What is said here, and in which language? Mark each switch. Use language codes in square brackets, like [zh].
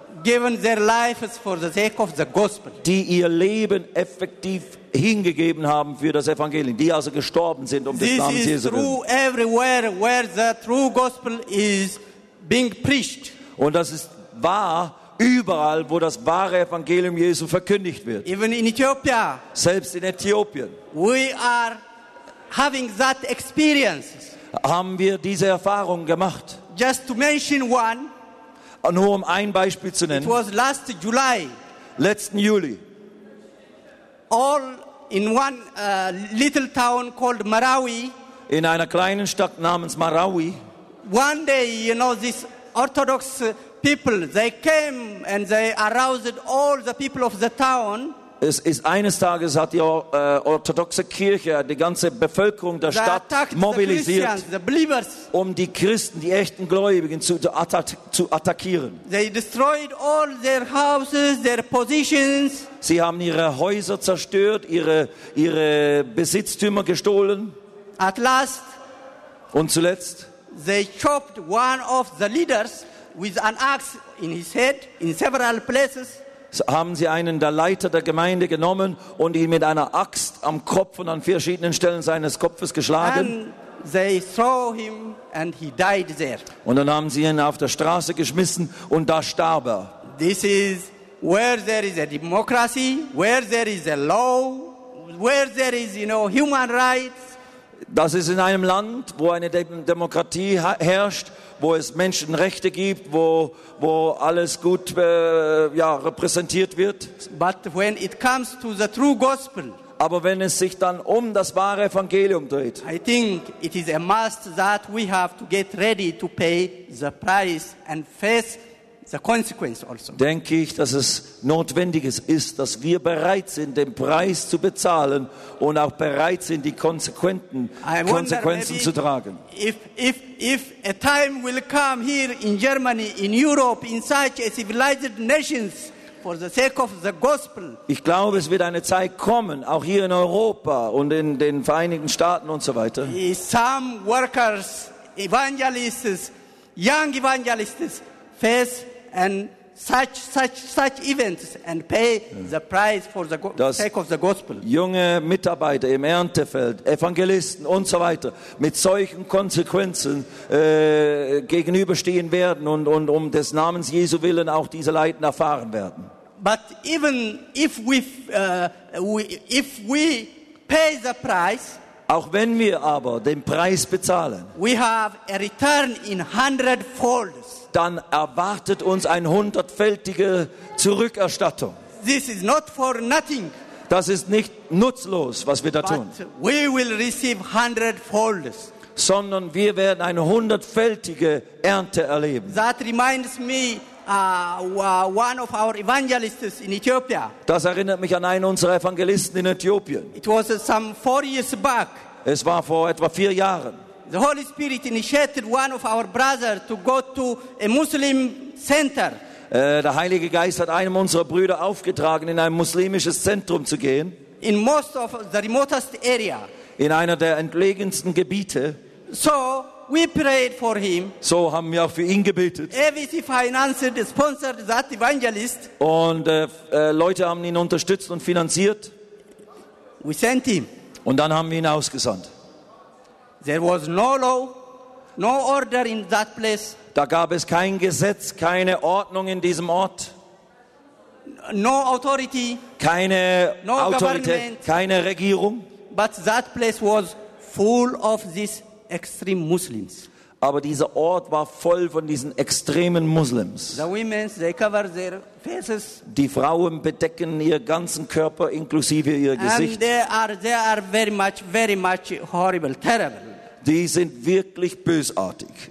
[en] Given their lives for the sake of the gospel. [de] Die ihr Leben effektiv hingegeben haben für das Evangelium, die also gestorben sind um [en] this [de] des Namens Jesu. [en] This is true everywhere where the true gospel is being preached. [de] Und das ist wahr überall, wo das wahre Evangelium Jesu verkündigt wird. [en] Even in Ethiopia. [de] Selbst in Äthiopien. [en] We are having that experience. [de] Haben wir diese Erfahrung gemacht? [en] Just to mention one. [de] Nur um ein Beispiel zu nennen. [en] It was last July. [de] Letzten Juli. [en] All in one little town called Marawi. [de] In einer kleinen Stadt namens Marawi. [en] One day, you know, these Orthodox people, they came and they aroused all the people of the town. [de] Es ist eines Tages hat die orthodoxe Kirche die ganze Bevölkerung der Stadt mobilisiert, um die Christen, die echten Gläubigen zu attackieren. [en] They destroyed all their houses, their positions. [de] Sie haben ihre Häuser zerstört, ihre Besitztümer gestohlen. [en] At last, [de] und zuletzt, [en] they chopped one of the leaders with an axe in his head in several places. [de] Haben sie einen der Leiter der Gemeinde genommen und ihn mit einer Axt am Kopf und an verschiedenen Stellen seines Kopfes geschlagen. [en] And they threw him and he died there. [de] Und dann haben sie ihn auf der Straße geschmissen und da starb er. [en] This is where there is a democracy, where there is a law, where there is, you know, human rights. [de] Das ist in einem Land, wo eine Demokratie herrscht, wo es Menschenrechte gibt, wo alles gut repräsentiert wird. [en] But when it comes to the true gospel, [de] aber wenn es sich dann um das wahre Evangelium dreht, [en] I think it is a must that we have to get ready to pay the price and face the consequence also. [de] Denke ich, dass es notwendig ist, dass wir bereit sind, den Preis zu bezahlen und auch bereit sind, die Konsequenzen zu tragen. [en] If a time will come here in Germany, in Europe, in such a civilized nations, for the sake of the gospel. [de] Ich glaube, es wird eine Zeit kommen, auch hier in Europa und in den Vereinigten Staaten und so weiter. [en] Some workers, evangelists, young evangelists, face and such events and pay the price for the sake of the gospel. [de] Junge Mitarbeiter im Erntefeld, Evangelisten und so weiter, mit solchen Konsequenzen gegenüberstehen werden und um des Namens Jesu willen auch diese Leiden erfahren werden. [en] But even if we pay the price, [de] auch wenn wir aber den Preis bezahlen, [en] we have a return in hundredfold. [de] Dann erwartet uns eine hundertfältige Zurückerstattung. [en] This is not for nothing. [de] Das ist nicht nutzlos, was wir da tun. [en] We will receive hundredfold. [de] Sondern wir werden eine hundertfältige Ernte erleben. [en] That reminds me one of our evangelists in Ethiopia. [de] Das erinnert mich an einen unserer Evangelisten in Äthiopien. [en] It was some 4 years back. [de] Es war vor etwa 4 Jahren. [en] The Holy Spirit initiated one of our brothers to go to a Muslim center. [de] Der Heilige Geist hat einem unserer Brüder aufgetragen, in ein muslimisches Zentrum zu gehen. [en] In most of the remotest area. [de] In einer der entlegensten Gebiete. [en] So we prayed for him. [de] So haben wir auch für ihn gebetet. [en] ABC financed, sponsored that evangelist. [de] Und Leute haben ihn unterstützt und finanziert. [en] We sent him. [de] Und dann haben wir ihn ausgesandt. [en] There was no law, no order in that place. [de] Da gab es kein Gesetz, keine Ordnung in diesem Ort. [en] No authority. [de] Keine [en] no [de] Autorität, [en] government. [de] Keine Regierung. [en] But that place was full of these extreme Muslims. [de] Aber dieser Ort war voll von diesen extremen Muslims. [en] The women, they cover their faces. [de] Die Frauen bedecken ihren ganzen Körper inklusive ihr Gesicht. [en] And they are very much horrible, terrible. [de] Die sind wirklich bösartig.